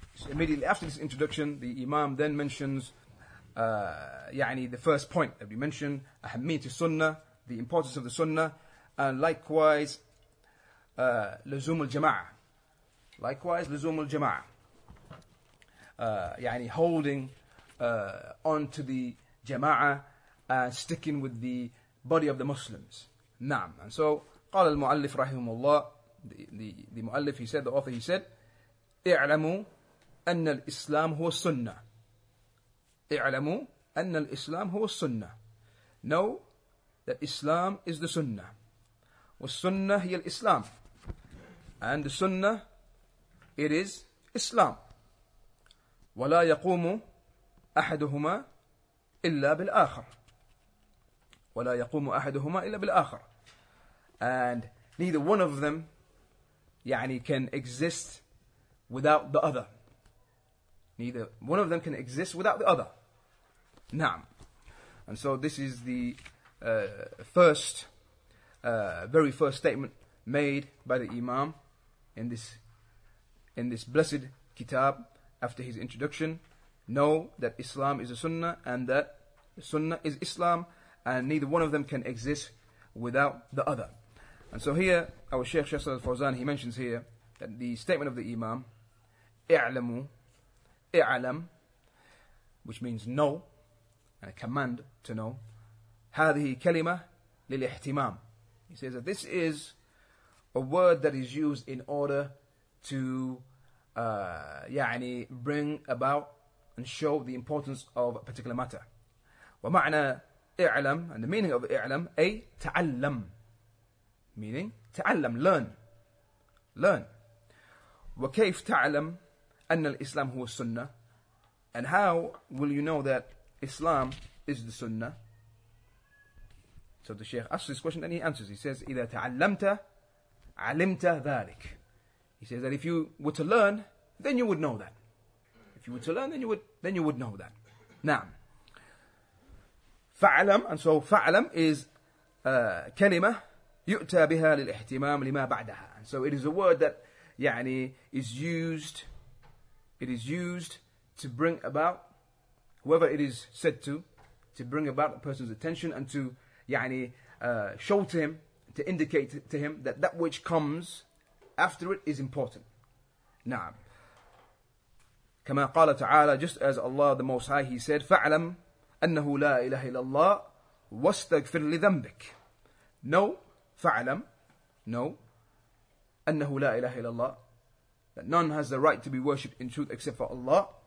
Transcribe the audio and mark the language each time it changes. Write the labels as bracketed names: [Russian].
[English] Immediately after this introduction, the Imam then mentions the first point that we mentioned, [Arabic] أهمية السنة, [English] the importance of the Sunnah, and likewise [Arabic] لزوم الجماعة. Likewise لزوم الجماعة. [English] Holding on to the jama'ah and sticking with the body of the Muslims. [Arabic] Naam. And so قال المؤلف رحمه الله, the مؤلف, [English] he said, the author, he said, [Arabic] اعلموا أن الإسلام هو السنة. اعلموا أن الإسلام هو السنة. [English] Know that Islam is the Sunnah. [Arabic] والسنة هي الإسلام. [English] And the Sunnah, it is Islam. [Arabic] ولا يقوم أحدهما إلا بالآخر. ولا يقوم أحدهما إلا بالآخر. [English] And neither one of them can exist without the other. Neither one of them can exist without the other. Naam. And so this is the very first statement made by the Imam in this blessed kitab after his introduction. Know that Islam is a sunnah and that the sunnah is Islam, and neither one of them can exist without the other. And so here, our Shaykh Shasal al-Fawzan, he mentions here that the statement of the Imam, اعلموا, اعلم, which means know, and a command to know, [Arabic] هذه كلمة للاحتمام. [English] He says that this is a word that is used in order to bring about and show the importance of a particular matter. [Arabic] ومعنى اعلم, [English] and the meaning of [Arabic] اعلم, أي تعلم. [English] Meaning, تعلم, learn. Learn. [Arabic] وكيف تعلم أن الإسلام هو السنة? [English] And how will you know that Islam is the Sunnah? So the Shaykh asks this question and he answers. He says, [Arabic] إذا تعلمت, علمت ذلك. [English] He says that if you were to learn, then you would know that. If you were to learn, then you would know that. [Arabic] نعم. فعلم, and so فعلم is كلمة يؤتى بها للاحتمام لما بعدها. [English] So it is a word that is used to bring about, whoever it is said to bring about a person's attention and to show to him, to indicate to him that which comes after it is important. [Arabic] نعم. كما قال تعالى, [English] just as Allah the Most High, he said, [Arabic] فعلم أنه لا إله إلا الله واستغفر لذنبك. [English] Know, فعلم, know, [Arabic] أنه لا إله إلا الله, [English] that none has the right to be worshipped in truth except for Allah.